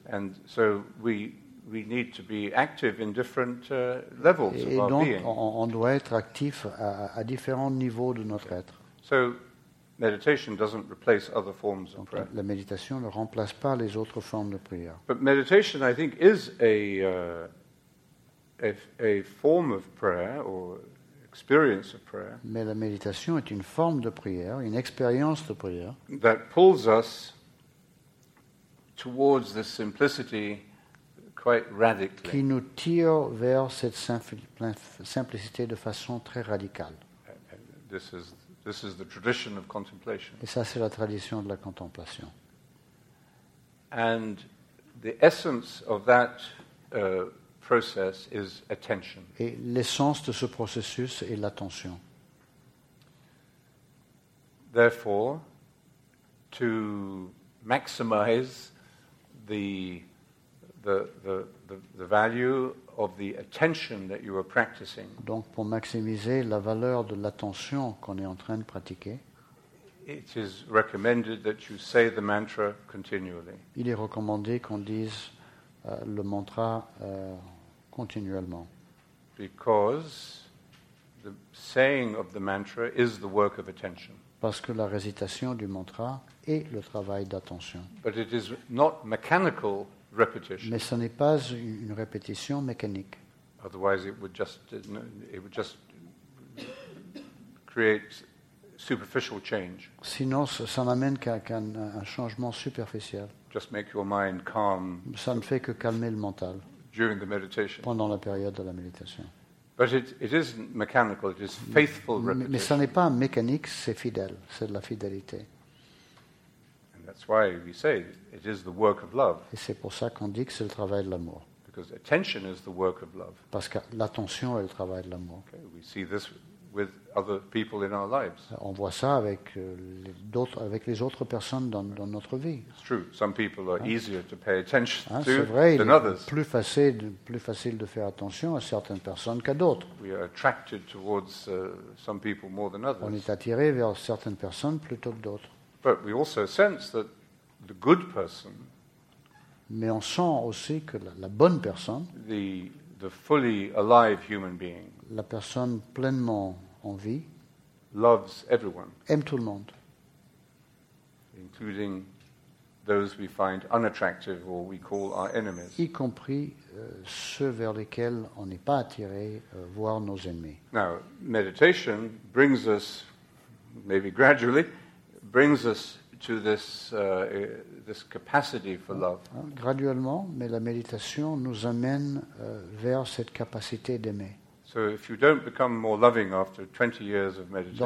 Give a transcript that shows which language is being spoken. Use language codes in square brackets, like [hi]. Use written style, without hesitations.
[en] And so we need to be active in different levels of our being. [fr] Et donc on doit être actif à différents niveaux de notre être. [en] So meditation doesn't replace other forms of prayer. [fr] La méditation ne remplace pas les autres formes de prière. [en] But meditation, I think, is a form of prayer or experience of prayer. [fr] Mais la méditation est une forme de prière, une expérience de prière. [en] That pulls us towards this simplicity quite radically. [fr] Qui nous tire vers cette simplicité de façon très radicale. [en] This is the tradition of contemplation. [fr] Et ça, c'est la tradition de la contemplation. [en] And the essence of that process is attention. [fr] Et l'essence de ce processus est l'attention. [en] Therefore, to maximize the value of the attention that you are practicing. [fr] Donc pour maximiser la valeur de l'attention qu'on est en train de pratiquer. [en] It is recommended that you say the mantra continually. [fr] Il est recommandé qu'on dise le mantra continuellement. [en] Because the saying of the mantra is the work of attention. [fr] Parce que la récitation du mantra est le travail d'attention. [en] But it is not mechanical repetition. [fr] Mais ce n'est pas une répétition mécanique. [en] Otherwise it would just create superficial change. [fr] Sinon ça n'amène qu'un changement superficiel. [en] Just make your mind calm. [fr] Ça ne fait que calmer le mental. [en] During the meditation. [fr] Pendant la période de la méditation. [en] But it isn't mechanical, it is faithful repetition. [fr] Mais ça n'est pas mécanique, c'est fidèle, c'est de la fidélité. [en] And that's why we say it is the work of love. [fr] Et c'est pour ça qu'on dit que c'est le travail de l'amour. [en] Because attention is the work of love. [fr] Parce que l'attention est le travail de l'amour. [en] Okay, we see this with other people in our lives. [fr] On voit ça avec d'autres, avec les autres personnes dans, dans notre vie. [en] It's true. Some people are easier to pay attention to than others. [fr] C'est vrai. Plus facile de faire attention à certaines personnes qu'à d'autres. [en] We are attracted towards some people more than others. [fr] On est attiré vers certaines personnes plutôt que d'autres. [en] But we also sense that the good person. [fr] Mais on sent aussi que la bonne personne. [en] The fully alive human being. [fr] La personne pleinement en vie [en] loves everyone, [fr] aime tout le monde, [en] including those we find unattractive or we call our enemies. [fr] Y compris ceux vers lesquels on n'est pas attiré, voire nos ennemis. [en] Now, meditation brings us, maybe gradually, brings us to this this capacity for love. [fr] Graduellement, mais la méditation nous amène vers cette capacité d'aimer. [en] So if you don't become more loving after 20 years of meditation.